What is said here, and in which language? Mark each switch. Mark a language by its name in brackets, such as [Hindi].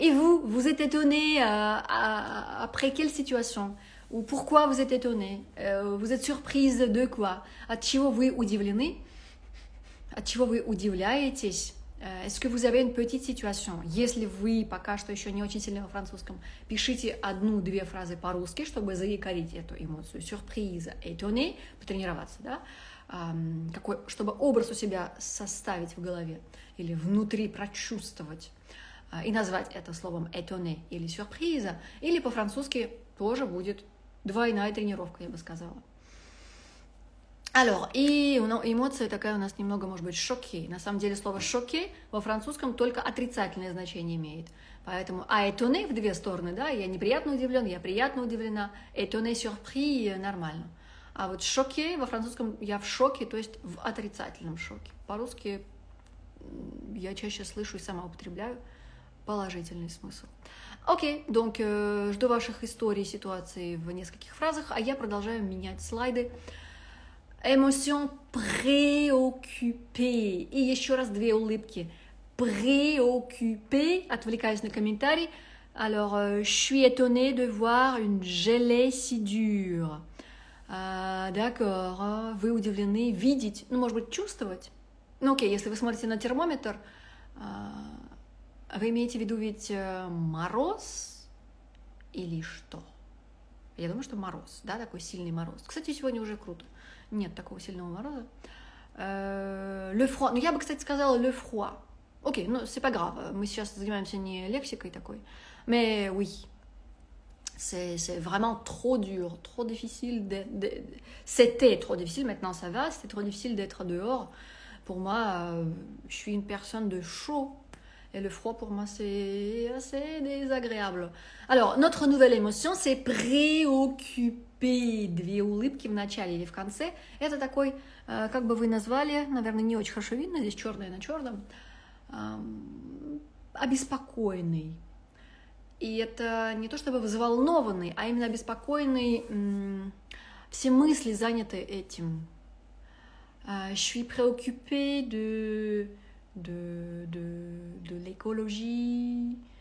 [French] Et vous, vous êtes étonnée après quelle situation? Ou pourquoi vous êtes étonnée? Vous êtes surprise de quoi? [Russian] От чего вы удивлены? От чего вы удивляетесь? [French] Est-ce que vous avez une petite situation? [Russian] Если вы пока что еще не очень сильны во французском, пишите одну-две фразы по-русски, чтобы заякорить эту эмоцию. Surprise, étonnée, потренироваться, да? Какой, чтобы образ у себя составить в голове или внутри прочувствовать и назвать это словом étonnée или surprise, или по-французски тоже будет двойная тренировка, я бы сказала. Alors, и эмоция такая у нас немного, может быть, шоке. На самом деле слово шоке во французском только отрицательное значение имеет. Поэтому а étonné в две стороны, да, я неприятно удивлен, я приятно удивлена. Étonné surpris нормально. А вот шоке во французском я в шоке, то есть в отрицательном шоке. По-русски я чаще слышу и сама употребляю положительный смысл. Окей, donc, жду ваших историй, ситуаций в нескольких фразах, а я продолжаю менять слайды. [French] Émotion préoccupée. [Russian] И еще раз две улыбки. Préoccupée, отвлекаясь на комментарий. [French] Alors, je suis étonnée de voir une gelée si dure. [Russian] D'accord, вы удивлены видеть, ну, может быть, чувствовать. Ну, окей, если вы смотрите на термометр, вы имеете в виду ведь мороз или что? Я думаю, что мороз, да, такой сильный мороз. Кстати, сегодня уже круто. Нет такого сильного мороза. [French] Le froid. [Russian] Ну, я бы, кстати, сказала le froid. Окей, ну, [French] c'est pas grave. [Russian] Мы сейчас занимаемся не лексикой такой. [French] Mais oui. C'est vraiment trop dur. Trop difficile de... C'était trop difficile. Maintenant, ça va. C'était trop difficile d'être dehors. Pour moi, je suis une personne de chaud. Et le froid, pour moi, c'est assez désagréable. Alors, notre nouvelle émotion, c'est préoccupé. [Russian] Две улыбки в начале или в конце. Это такой, как бы вы назвали, наверное, не очень хорошо видно, здесь черное на черном, обеспокоенный. И это не то чтобы взволнованный, а именно обеспокоенный. Все мысли заняты этим. [French] Je suis préoccupée de l'écologie,